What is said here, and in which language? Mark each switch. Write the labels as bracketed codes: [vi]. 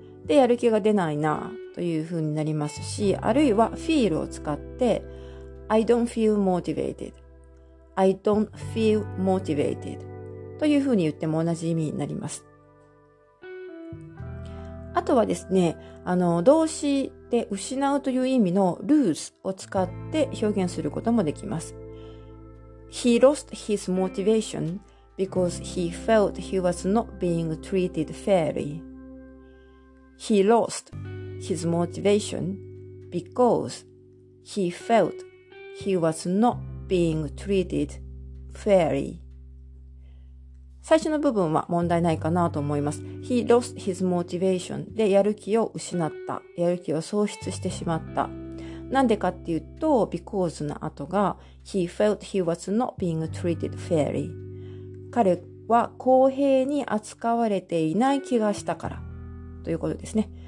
[ja] で、やる気が出ないなというふうになりますし、あるいは feel を使って、 [en] I don't feel motivated. I don't feel motivated. [ja] というふうに言っても同じ意味になります。あとはですね、動詞で失うという意味の lose を使って表現することもできます。 [en] He lost his motivation because he felt he was not being treated fairly. He lost his motivation because he felt he was not being treated fairly. [ja] 最初の部分は問題ないかなと思います。 [en] He lost his motivation [ja] でやる気を失った、やる気を喪失してしまった。なんでかっていうと、 because の後が [en] He felt he was not being treated fairly。 [ja] 彼は公平に扱われていない気がしたからということですね。